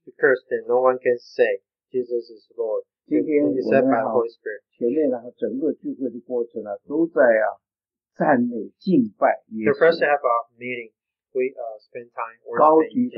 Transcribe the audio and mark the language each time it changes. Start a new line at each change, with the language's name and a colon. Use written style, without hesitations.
English: is cursed and no one can say Jesus is Lord.
Chinese: 今天我们啊，前面呢整个聚会的过程呢，都在啊赞美敬拜耶稣。
English: The first half of meeting, we spend time worshiping Jesus,